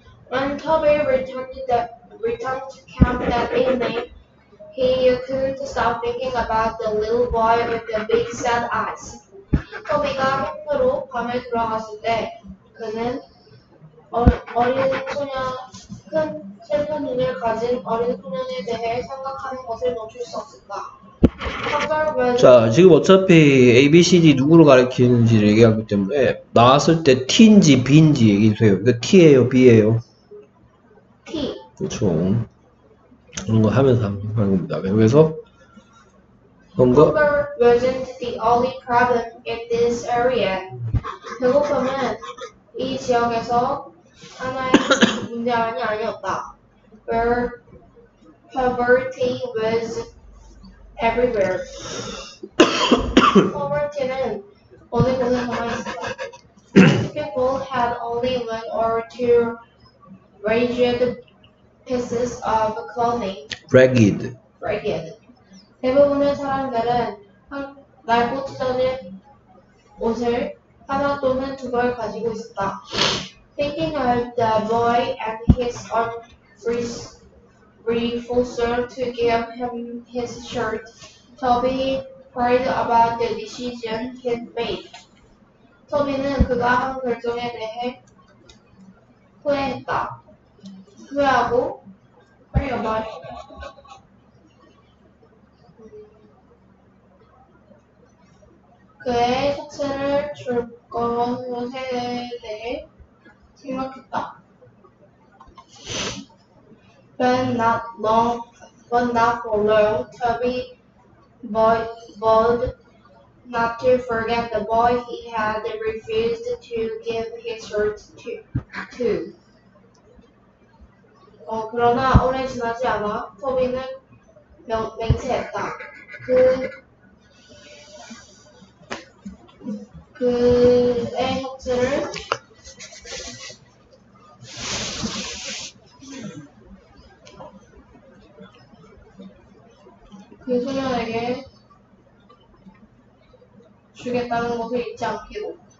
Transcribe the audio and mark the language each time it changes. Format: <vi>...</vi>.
<en>When Toby returned to camp that evening, he couldn't stop thinking about the little boy with the big sad eyes.</en> <ko>Toby가 캠프로 밤에 들어갔을 때 그는 큰 슬픈 눈을 가진 어린 소년에 대해 생각하는 것을 멈출 수 없었다. 자, 지금 어차피 ABCD 누구를 가리키는지를 얘기하기 때문에 나왔을 때 T인지 B인지 얘기해주세요. 이거 T예요, B예요? T. 그쵸. 그런 거 하면서 하는 겁니다. 그래서 뭔가</ko> <en>Hunger wasn't the only problem in this area.</en> <ko>배고픔은 이 지역에서 하나의 문제만이 아니었다.</ko> <en>Where poverty was everywhere.</en> <ko>Poverty는 어느 곳에서만 있었다.</ko> <en>People had only one or two ragged pieces of clothing. Ragged.</en> <ko>대부분의 사람들은 낡고 찢어진 옷을 하나 또는 두 벌 가지고 있었다.</ko> <en>Thinking of the boy and his refusal to give him his shirt, Toby prayed about the decision he made.</en> <ko>Toby는 그가 한 결정에 대해 후회했다. 후회하고 빨리 그의 셔츠를 줄 것에 대해 생각했다.</ko> <en>But not for long, Toby vowed not to forget the boy he had refused to give his shirt to.</en> <ko>그러나 오래 지나지 않아 토비는 맹세했다. 그의 협조를 그 소년에게 주겠다는 것을 잊지 않기로.</ko>